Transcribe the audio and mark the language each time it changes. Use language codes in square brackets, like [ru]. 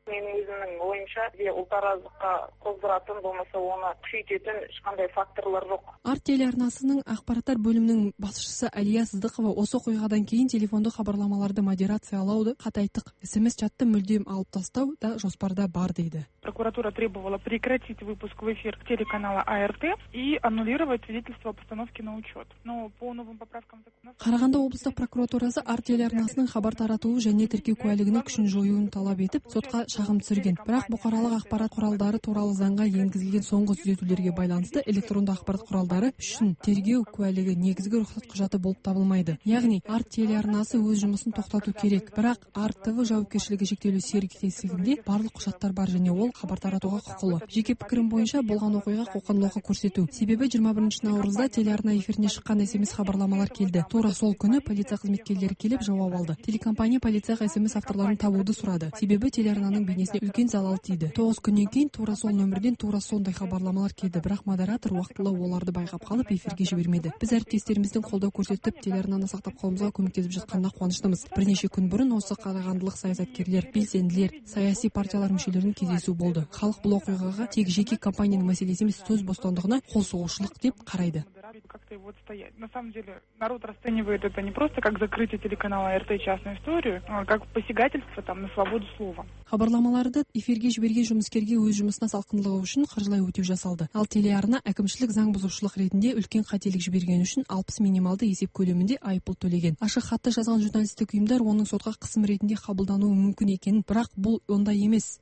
[kk] менің өзімнің ойымша ұлтараздыққа қоздыратын, болмаса оны күшейтетін ешқандай факторлар жоқ. Арт телеарнасының ақпараттар бөлімінің басшысы Әлия Сыздықова осы оқиғадан кейін телефонды хабарламаларды модерациялауды қатайттық, СМС чатты мүлдем алып тастау да жоспарда бар дейді. [ru] Прокуратура требовала прекратить выпуск в эфир телеканала АРТ и аннулировать свидетельство о постановке на учет. Но по новым поправкам закона. [kk] Қарағанды облыстық прокуратурасы арт телеарнасының хабар таратуы және тіркеу куәлігінің күшін жоюын талап етіп сотқа шағым түсірген. Бірақ бұқаралық ақпарат құралдары туралы заңға енгізілген соңғы түзетулерге байланысты электронды ақпарат құралдары үшін тергеу куәлігі негізгі рұқсат құжаты болып табылмайды. Яғни арт телеарнасы өз жұмысын тоқтату керек. Бірақ арттығы жауапкершілігі шектеулі серіктесігінде барлық құжаттар бар және ол хабар таратуға құқылы. Жеке пікірім бойынша болған оқиға қоқан-лоқы көрсету. Себебі 21 наурызда телеарна эфиріне шыққан SMS хабарламалар келді. Тура сол күні полиция қызметкерлері келіп жауап алды. Телекомпания полицияға SMS авторларын табуды сұрады. Себебі телеарнаның бейнесіне үлкен залал тиді. 9 күннен кейін тура сол нөмірден тура сондай хабарламалар келді, бірақ модератор уақытылы оларды байқап қалып эфирге жібермеді. Біз әріптестеріміздің қолдау көрсетіп, телеарнаны сақтап қалуымызға көмектесіп жатқанына қуаныштымыз. Бірнеше күн бұрын осы қарағандылық саясаткерлер, белсенділер, саяси партиялар мүшелерінің кездесуі болды. Халық бұл оқиғаға тек жеке компанияның мәселесі емес, сөз бостандығына қол соғушылық деп қарайды. [ru] Как-то его отстоять. На самом деле, народ расценивает это не просто как закрытие телеканала РТ частную историю, а как посягательство там на свободу слова. [kk] Хабарламаларды эфирге жіберген жұмыскерге өз жұмысына салқындылығы үшін қаржылай өтеу жасалды. Ал телеарна әкімшілік заң бұзушылық ретінде үлкен қателік жіберген үшін 60 минималды есеп көлемінде айыппұл төлеген. Ашық хатты жазған журналистік ұйымдар оның сотқа қысым ретінде қабылдануы мүмкін екенін, бірақ бұл ондай емес.